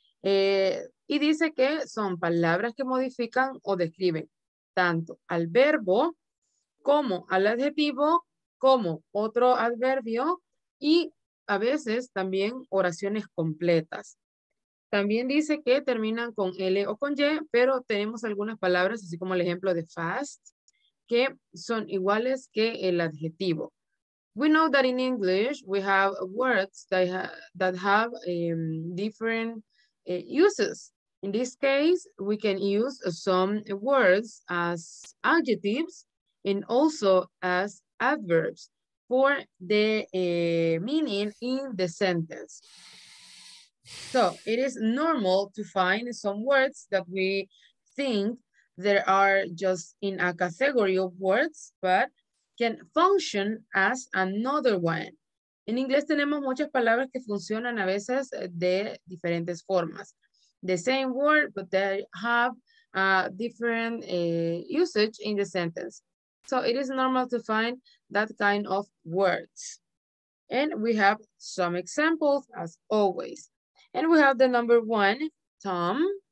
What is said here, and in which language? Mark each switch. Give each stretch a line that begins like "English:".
Spanish: Y dice que son palabras que modifican o describen tanto al verbo como al adjetivo como otro adverbio y a veces también oraciones completas. También dice que terminan con L o con Y, pero tenemos algunas palabras, así como el ejemplo de fast, que son iguales que el adjetivo.
English: We know that in English we have words that have different uses. In this case, we can use some words as adjectives and also as adverbs for the meaning in the sentence. So it is normal to find some words that we think there are just in a category of words, but can function as another one.
Spanish: En inglés tenemos muchas palabras que funcionan a veces de diferentes formas.
English: The same word, but they have a different usage in the sentence. So it is normal to find that kind of words. And we have some examples as always. And we have the number one, Tom.